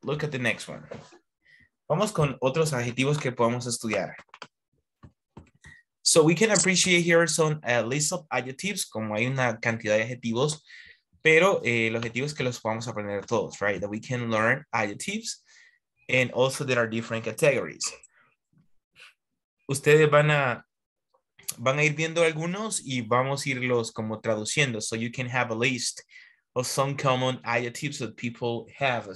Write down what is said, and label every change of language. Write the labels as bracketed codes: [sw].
[en] Look at the next one. [es] Vamos con otros adjetivos que podamos estudiar. [en] So we can appreciate here some list of adjectives, [es] como hay una cantidad de adjetivos, pero el objetivo es que los podamos aprender todos, right? [en] That we can learn adjectives and also there are different categories. [es] Ustedes van a ir viendo algunos y vamos a irlos como traduciendo. [en] So you can have a list of some common adjectives that people have.